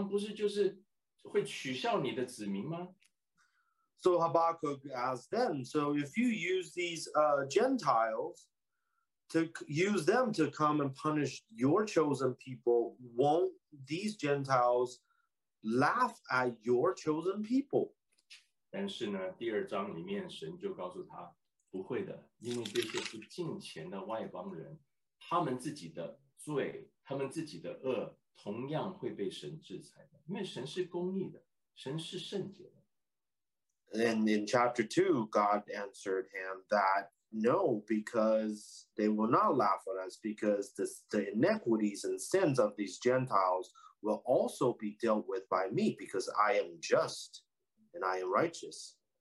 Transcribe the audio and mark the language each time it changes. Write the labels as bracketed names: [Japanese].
[Chinese] 那当然，哈巴谷就说：“神啊，那你这样外邦，你用外邦人不敬虔的人来攻击或者是来责罚你自己的子民，那这些外邦人他们不是就是会取笑你的子民吗？” [English] So Habakkuk asked them, so if you use these Gentiles to use them to come and punish your chosen people, won't these Gentiles laugh at your chosen people? [Chinese] 但是呢，第二章里面神就告诉他，不会的，因为这些不敬虔的外邦人，他们自己的罪，他们自己的恶，同样会被神制裁的，因为神是公义的，神是圣洁的。 [English] And in chapter 2, God answered him that no, because they will not laugh at us, because the iniquities and sins of these Gentiles will also be dealt with by me, because I am just and I am righteous.